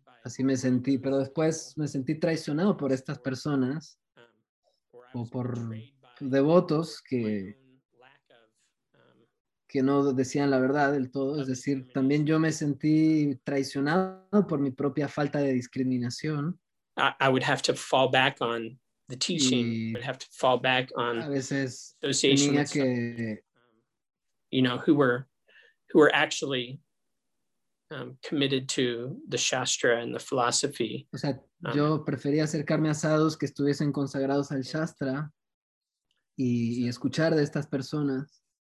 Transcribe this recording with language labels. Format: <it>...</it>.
<es>Así me sentí, pero después me sentí traicionado por estas personas o por devotos que no decían la verdad del todo. Es decir, también yo me sentí traicionado por mi propia falta de discriminación.</es> <en>I would have to fall back on the teaching. I would have to fall back on association with que, who were actually committed to the Shastra and the philosophy.</en> <es>O sea, yo prefería acercarme a sadhus que estuviesen consagrados al Shastra y escuchar de estas personas.</es>